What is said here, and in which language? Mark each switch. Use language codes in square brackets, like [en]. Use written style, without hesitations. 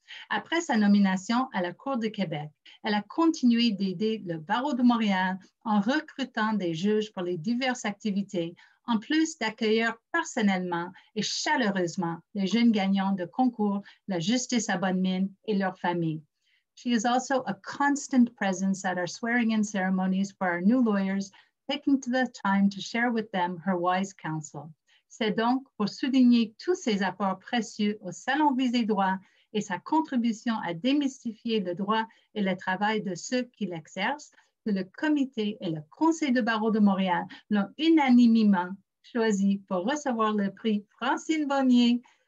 [fr] Après sa nomination à la Cour de Québec, elle a continué d'aider le barreau de Montréal en recrutant des juges pour les diverses activités, en plus d'accueillir personnellement et chaleureusement les jeunes gagnants de concours La Justice à Bonne Mine et leurs familles. [en] She is also a constant presence at our swearing-in ceremonies for our new lawyers, taking the time to share with them her wise counsel. [fr] C'est donc pour souligner tous ses apports précieux au Salon Visé droit et sa contribution à démystifier le droit et le travail de ceux qui l'exercent que le comité et le Conseil de barreaux de Montréal l'ont unanimement choisi pour recevoir le prix Francine Bonnier.